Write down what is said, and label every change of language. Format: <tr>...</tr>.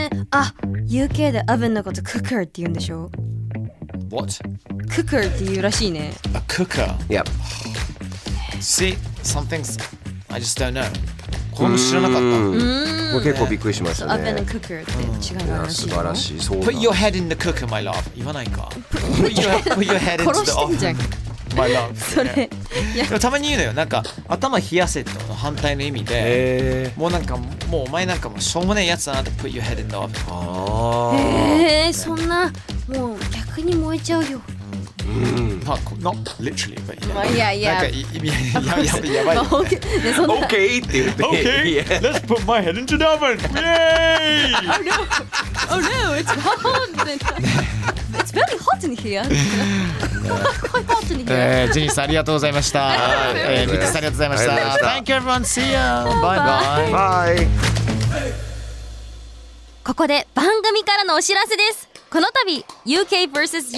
<ja>あ、UK でオーブンのことクッカーって言うんでしょ。</ja> <en>What?</en> <ja>クッカーって言うらしいね。</ja> <en>A cooker? Yep. See, some things I just don't know.</en> <ja>これも知らなかった。うん、これ結構びっくりしましたね。オーブンのクッカーって違うらしい、ね、素晴らしい。そうだ。</ja> <en>Put your head in the cooker, my love.</en> <ja>言わないか。</ja> <en>Put your head into the oven.</en> <ja>殺してんじゃん。</ja> <en>My love.</en> <ja>それ、いや、たまに言うのよ、なんか頭冷やせっての反対の意味で、もうなんかもうお前なんかもうしょうもねえやつだなって</ja> <en>Put your head in the oven。</en> <ja>あー、そんなもう逆に燃えちゃうよ。うん、</ja> <en>まあ、not literally but</en> <ja>yeah、 まあ、いやいや、なんか意味やばい、まあ、OK って言って OK って言って</ja> <en>OK、yeah. Let's put my head into the oven。</en> <ja>イエーイ。</ja> <en>Oh no, oh no, it's hot It's very hot in here.</en> <ja>ジェニーさん、ありがとうございました。ミキさん、ありがとうございました。</ja> <en>Thank you, everyone. See ya. Bye bye. Bye.</en> <ja>ここで番組からのお知らせです。この度、UK vs.</ja>